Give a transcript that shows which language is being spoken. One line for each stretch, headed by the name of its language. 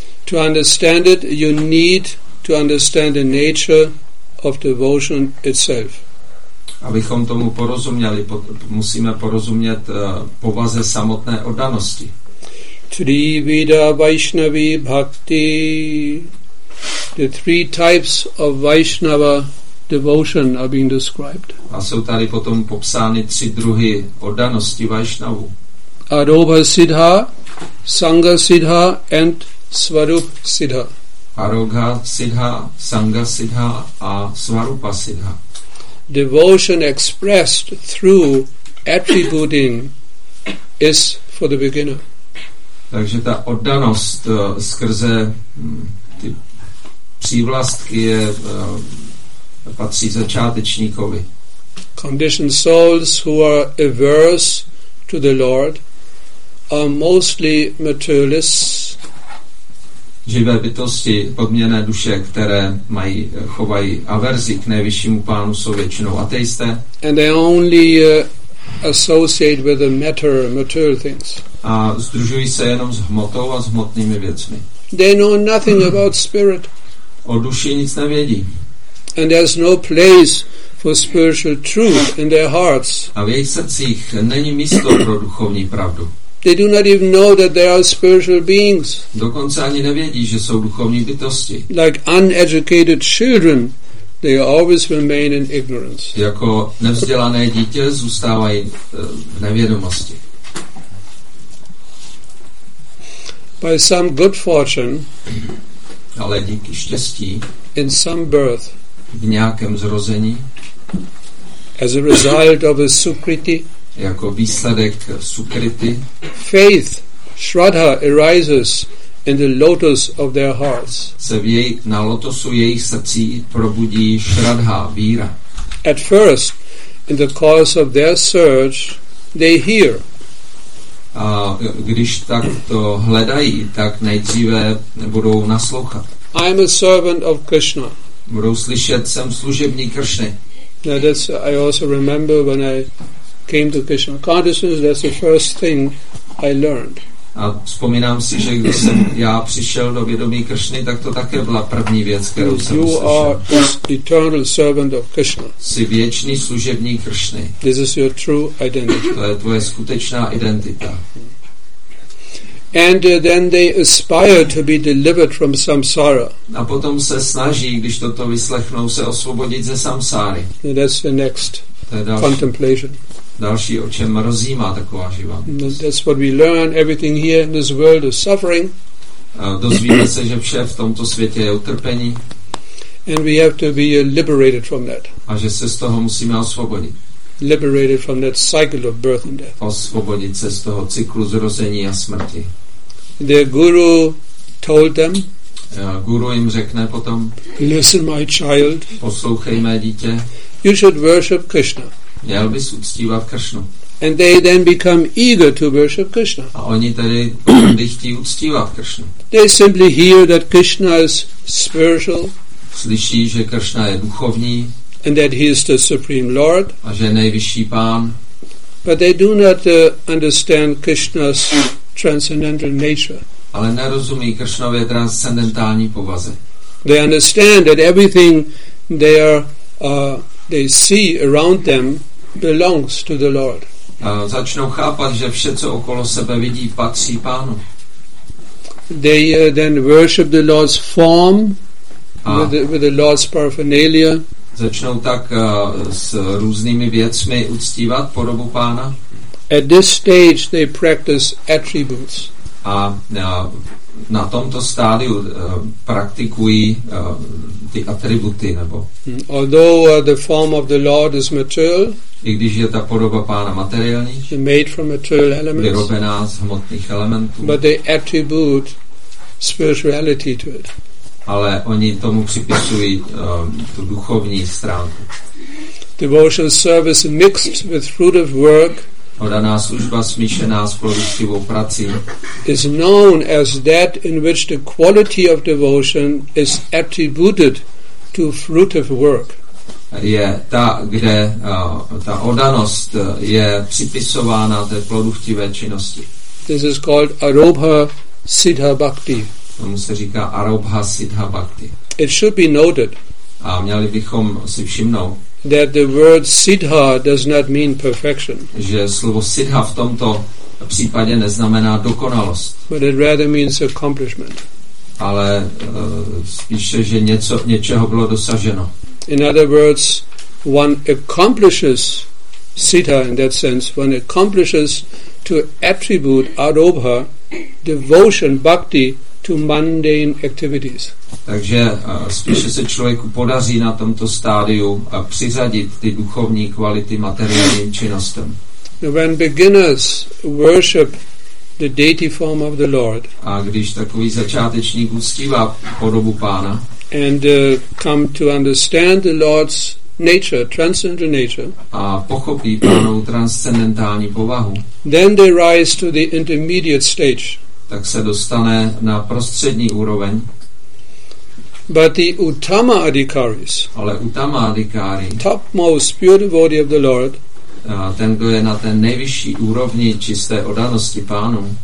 English: To understand it, you need to understand the nature of devotion itself.
Czech: Abychom tomu porozuměli, musíme porozumět povaze samotné oddanosti.
Sanskrit: Trivida Vaishnavi Bhakti.
English: The three types of Vaishnava devotion are being described.
Czech: A jsou tady potom popsány tři druhy oddanosti Vaishnavu.
English: Aroba Siddha, Sangha Siddha and Svarup Siddha.
Czech: Aroga Siddha, Sangha Siddha a Svarupa Siddha.
English: Devotion expressed through attributing is for the beginner.
Czech: Takže ta oddanost skrze ty přívlastky je patří začátečníkovi.
English: Conditioned souls who are averse to the Lord are mostly materialists.
Czech: Živé bytosti, podměrné duše, které mají, chovají averzi k nejvyššímu pánu, jsou většinou ateisté.
English: And they only associate with the matter, material things.
Czech: A združují se jenom s hmotou a s hmotnými věcmi.
English: They know nothing about spirit.
Czech: O duši nic nevědí.
English: And there's no place for spiritual truth in their hearts.
Czech: A v jejich srdcích není místo pro duchovní pravdu.
English: They do not even know that they are spiritual beings.
Czech: Dokonce ani nevědí, že jsou duchovní bytosti.
English: Like uneducated children, they always remain in ignorance.
Czech: Jako nevzdělané dítě zůstávají v nevědomosti.
English: By some good fortune,
Czech: ale díky štěstí,
English: in some birth,
Czech: v nějakém zrození,
English: as a result of a sukriti,
Czech: jako výsledek sukriti,
English: faith, shraddha arises in the lotus of their hearts.
Czech: Se v jej, na lotosu jejich srdcí probudí shraddha, víra.
English: At first, in the course of their search, they hear.
Czech: A když tak to hledají, tak nejdříve budou naslouchat.
English: I am a servant of Krishna.
Czech: Budou slyšet, jsem služebník Kršny.
English: That's, I also remember when I came to Krishna consciousness, that's the first thing I learned.
Czech: A vzpomínám si, že když jsem já přišel do vědomí Kršny, tak to také byla první věc, kterou jsem you slyšel.
English: Are this eternal servant of Krishna.
Czech: Jsi věčný služebník Kršny.
English: This is your true identity.
Czech: To je tvoje skutečná identita.
English: And then they aspire to be delivered from samsara.
Czech: A potom se snaží, když toto vyslechnou, se osvobodit ze samsáry.
English: And that's the next contemplation.
Czech: Další, o čem rozjímá taková živa.
English: That's what we learn, everything here in this world is suffering.
Czech: Dozvíme se, že vše v tomto světě je utrpení.
English: And we have to be liberated from that.
Czech: A že se z toho musíme osvobodit.
English: Liberated from that cycle of birth and death.
Czech: Osvobodit se z toho cyklu zrození a smrti.
English: The guru told them.
Czech: Guru jim řekne potom.
English: Listen, my child.
Czech: Poslouchej, mé dítě.
English: You should worship Krishna.
Czech: Měl bys uctívat Kršnu.
English: And they then become eager to worship Krishna.
Czech: A oni tady potom chtí uctívat Kršnu.
English: They simply hear that Krishna is spiritual.
Czech: Slyší, že Kršna je duchovní.
English: And that he is the supreme Lord.
Czech: A že je nejvyšší pán.
English: But they do not understand Krishna's transcendental nature.
Czech: Ale nerozumí Kršnově transcendentální povaze.
English: They understand that everything they are they see around them belongs to the Lord.
Czech: Začnou chápat, že vše, co okolo sebe vidí, patří pánu.
English: They then worship the Lord's form with the Lord's paraphernalia.
Czech: Začnou tak s různými věcmi uctívat podobu pána.
English: At this stage they practice attributes.
Czech: A na tomto stádiu praktikují ty atributy nebo.
English: Although the form of the Lord is material.
Czech: I když je ta podoba pána materiální.
English: Made from material elements.
Czech: Vyrobená z hmotných elementů.
English: But they attribute spirituality to it.
Czech: Ale oni tomu připisují tu duchovní stránku.
English: Devotion service mixed with fruitive work.
Czech: Oddaná služba smíšená s plodivou prací.
English: Is known as that in which the quality of devotion is attributed to fruitive work.
Czech: je ta, kde ta oddanost je připisována té produktivé činnosti.
English: This is called Arobha Siddha Bhakti.
Czech: Tomu se říká Arobha Siddha Bhakti.
English: It should be noted.
Czech: A měli bychom si všimnout,
English: that the word Siddha does not mean perfection.
Czech: Že slovo Siddha v tomto případě neznamená dokonalost.
English: But it rather means accomplishment.
Czech: Ale spíše, že něčeho bylo dosaženo.
English: In other words, one accomplishes Siddha in that sense, one accomplishes to attribute Arobha devotion, bhakti to mundane activities.
Czech: Takže spíše se člověku podaří na tomto stádiu přizadit ty duchovní kvality materiálním činnostem.
English: When beginners worship the deity form of the Lord,
Czech: a když takový začátečník uctívá podobu Pána,
English: and come to understand the Lord's nature, transcendental nature,
Czech: a pochopí Pánovu transcendentální povahu,
English: then they rise to the intermediate stage.
Czech: Tak se dostane na prostřední úroveň.
English: But the Uttama Adhikaris,
Czech: ale Uttama Adhikari,
English: topmost pure devotee of the Lord,
Czech: ten, kdo je na té nejvyšší úrovni čisté oddanosti Pánu,